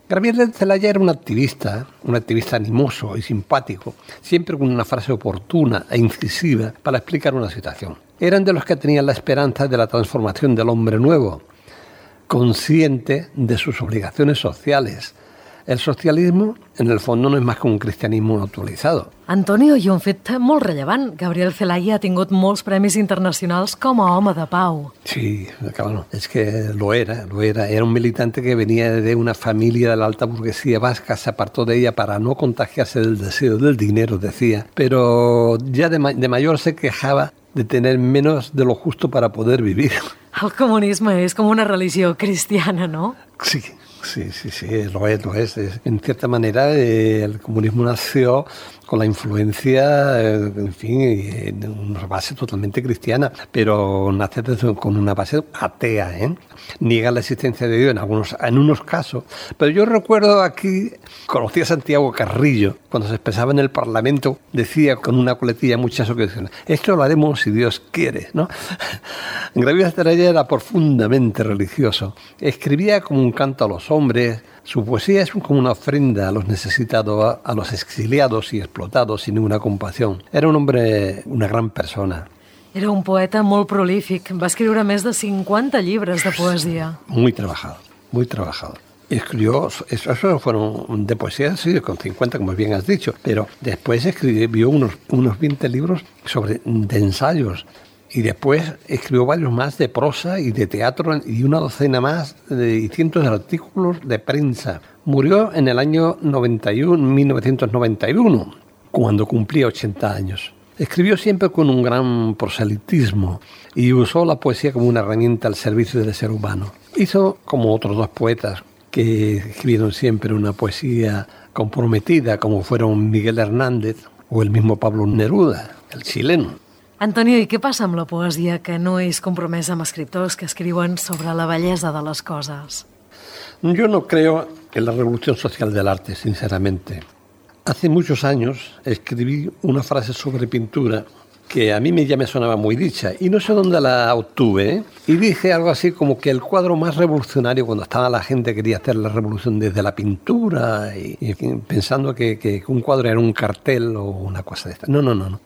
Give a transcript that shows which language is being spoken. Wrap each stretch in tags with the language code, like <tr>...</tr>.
<es>Gabriel Celaya era un activista animoso y simpático, siempre con una frase oportuna e incisiva para explicar una situación. Eran de los que tenían la esperanza de la transformación del hombre nuevo, consciente de sus obligaciones sociales. El socialismo, en el fondo,</es> <ca>no és més que un cristianisme actualitzado. Antonio, i un fet molt rellevant. Gabriel Celaya ha tingut molts premis internacionals com a home de pau.</ca> <es>Sí, claro, es que lo era. Era un militante que venia de una família</es> <ca>de l'alta burguesia vasca,</ca> <es>s'apartó d'ella para no contagiarse del deseo del dinero, decía. Pero ya de mayor se quejava de tener menos de lo justo para poder vivir.</es> <ca>El comunisme és com una religió cristiana, no?</ca> <es>Sí. Sí, lo es. En cierta manera, el comunismo nació con la influencia, en fin, en una base totalmente cristiana, pero nace con una base atea, ¿eh? Niega la existencia de Dios en unos casos. Pero yo recuerdo aquí, conocí a Santiago Carrillo, cuando se expresaba en el Parlamento, decía con una coletilla muchas ocasiones: esto lo haremos si Dios quiere, ¿no? Gabriel Celaya era profundamente religioso. Escribía como un canto a los hombres. Su poesía es como una ofrenda a los necesitados, a los exiliados y explotados sin ninguna compasión. Era un hombre, una gran persona.</es> <ca>Era un poeta molt prolífic. Va escriure més de 50 llibres de poesia.</ca> <es>Muy trabajado. Escribió, eso fueron de poesía, sí, con 50, como bien has dicho, pero después escribió unos 20 libros de ensayos. Y después escribió varios más de prosa y de teatro y una docena más y cientos de artículos de prensa. Murió en el año 1991, cuando cumplía 80 años. Escribió siempre con un gran proselitismo y usó la poesía como una herramienta al servicio del ser humano. Hizo como otros dos poetas que escribieron siempre una poesía comprometida, como fueron Miguel Hernández o el mismo Pablo Neruda, el chileno.</es> <ca>Antonio,</ca> <es>¿y qué pasa</es> <ca>amb la poesia que no és compromesa amb escriptors que escriuen sobre la bellesa de les coses?</ca> <es>Yo no creo en la revolución social del arte, sinceramente. Hace muchos años escribí una frase sobre pintura que a mí ya me sonaba muy dicha y no sé dónde la obtuve, ¿eh? Y dije algo así como que el cuadro más revolucionario, cuando estaba la gente quería hacer la revolución desde la pintura y pensando que un cuadro era un cartel o una cosa de esta. No.</es>